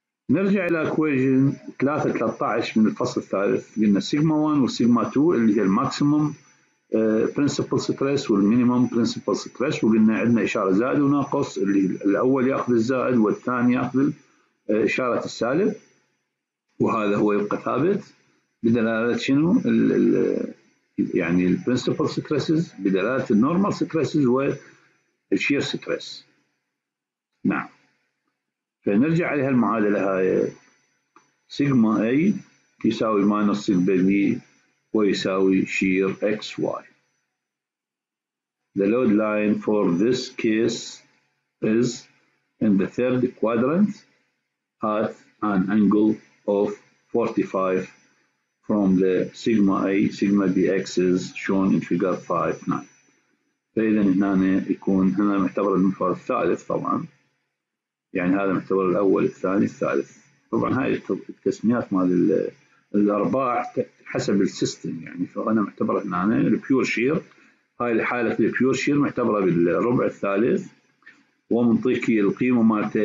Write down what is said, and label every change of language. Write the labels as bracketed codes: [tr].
[ar] نرجع إلى إكويجن 313 من الفصل الثالث، قلنا سيجما 1 وسيجما 2 اللي هي الماكسيموم برنسبل ستريس والمينيموم برنسبل ستريس، وقلنا عندنا إشارة زائد وناقص، اللي الأول يأخذ الزائد والثاني يأخذ إشارة السالب، وهذا هو يبقى ثابت بدلالة شنو؟ الـ يعني الـ principal stresses بدلالة الـ normal stresses، و الشير ستريس. نعم، فنرجع على هالمعادلة هاي، سيجما اي يساوي ماينس سيجما بي ويساوي شير اكس واي. [en] The load line for this case is in the third quadrant at an angle of 45 from the sigma A, sigma B axis shown in figure 5.9. [ar] فإذا هنا يكون هنا معتبر المحور الثالث طبعا، يعني هذا معتبر الأول الثاني الثالث. طبعا هاي التسميات مال الأرباع حسب السيستم، يعني فأنا معتبر هنا البيور شير، هاي الحالة البيور شير معتبرة بالربع الثالث، ومنطيك القيمة مالته.